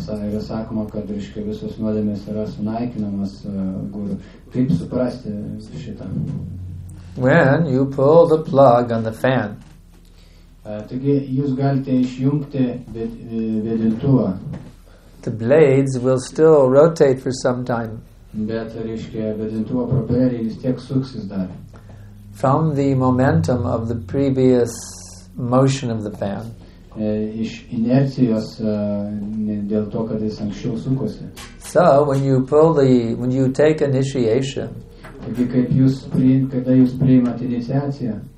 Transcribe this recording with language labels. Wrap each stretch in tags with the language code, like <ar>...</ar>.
<lt>Yra sakoma, kad reiškia, visos nuodėmės yra sunaikinamas guru. Kaip suprasti šitą?</lt> <en>When you pull the plug on the fan.</en> <lt>Taigi, jūs galite išjungti vėdintuvą.</lt> <en>The blades will still rotate for some time.</en> <lt>Bet, reiškia, vėdintuvo propeleriai vis tiek suksis dar.</lt> <en>From the momentum of the previous motion of the fan.</en> <lt>Iš inercijos dėl to, kad jis anksčiau sukosi.</lt> <en>So, when you take initiation,</en> <lt>taigi, kaip jūs kada jūs priimate iniciaciją,</lt>